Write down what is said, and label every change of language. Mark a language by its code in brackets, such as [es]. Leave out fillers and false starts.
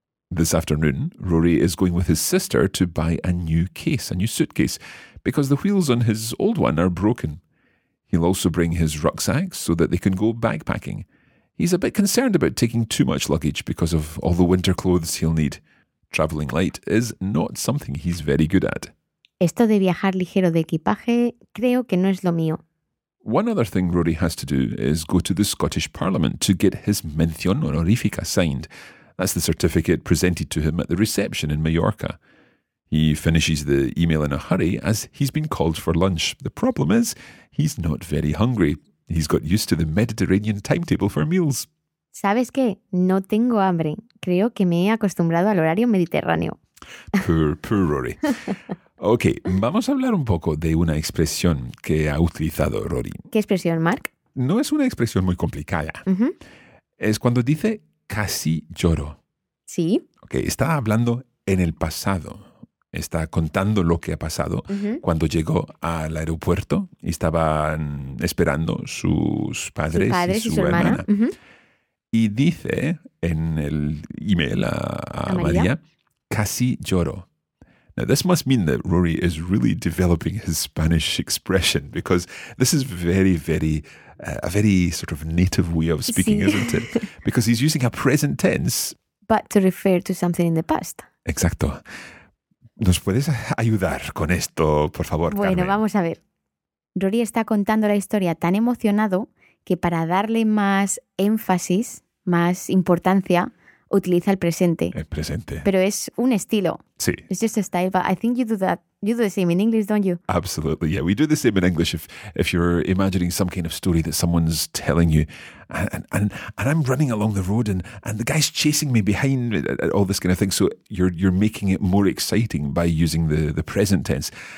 [en] This afternoon, Rory is going with his sister to buy a new case, a new suitcase, because the wheels on his old one are broken. He'll also bring his rucksack so that they can go backpacking. He's a bit concerned about taking too much luggage because of all the winter clothes he'll need. Travelling light is not something he's very good at. [es] Esto de viajar ligero de equipaje, creo que no es lo mío. [en] One other thing Rory has to do is go to the Scottish Parliament to get his mención honorífica signed. That's the certificate presented to him at the reception in Mallorca. He finishes the email in a hurry as he's been called for lunch. The problem is, he's not very hungry. He's got used to the Mediterranean timetable for meals. [es] ¿Sabes qué? No tengo hambre. Creo que me he acostumbrado al horario mediterráneo. [en] Poor Rory. [es] Ok, vamos a hablar un poco de una expresión que ha utilizado Rory. ¿Qué expresión, Mark? No es una expresión muy complicada. Uh-huh. Es cuando dice casi lloro. Sí. Ok, está hablando en el pasado. Está contando lo que ha pasado cuando llegó al aeropuerto y estaban esperando sus padres, su padre y su hermana. Uh-huh. Y dice en el email a María, casi lloro. [en] Now, this must mean that Rory is really developing his Spanish expression because this is very, very, a very sort of native way of speaking, isn't it? Because he's using a present tense. But to refer to something in the past. [es] Exacto. ¿Nos puedes ayudar con esto, por favor, Carmen? Bueno, vamos a ver. Rory está contando la historia tan emocionado que para darle más énfasis, más importancia, utiliza el presente. El presente. Pero es un estilo. Sí. [en] It's just a style, but I think you do that. You do the same in English, don't you? Absolutely, yeah. We do the same in English if you're imagining some kind of story that someone's telling you. And I'm running along the road and the guy's chasing me behind all this kind of thing. So you're making it more exciting by using the present tense.